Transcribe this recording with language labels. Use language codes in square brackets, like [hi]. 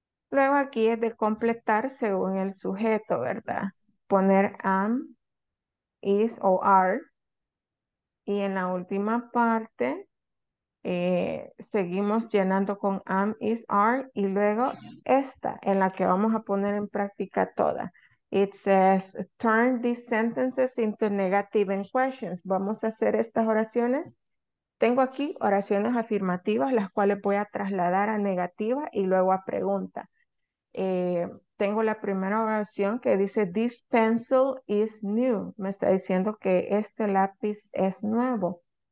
[es] Luego aquí es de completar según el sujeto, ¿verdad? Poner am, is o are. Y en la última parte, seguimos llenando con am, is, are, y luego esta, en la que vamos a poner en práctica toda. [en] It says, turn these sentences into negative and questions. [es] Vamos a hacer estas oraciones. Tengo aquí oraciones afirmativas, las cuales voy a trasladar a negativa y luego a pregunta. Tengo la primera oración que dice, [en] this pencil is new. [es] Me está diciendo que este lápiz es nuevo.